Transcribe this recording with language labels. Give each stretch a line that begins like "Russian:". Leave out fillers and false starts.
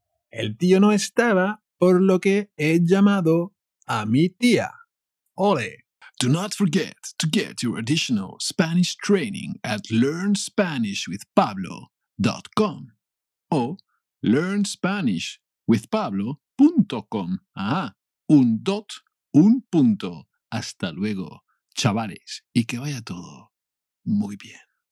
Spanish: El tío no estaba, por lo que he llamado a mi tía. Ole.
English: Do not forget to get your additional Spanish training at learnspanishwithpablo.com o learnspanishwithpablo.com.
Spanish: Ajá. Un dot, un punto. Hasta luego, chavales, y que vaya todo muy bien.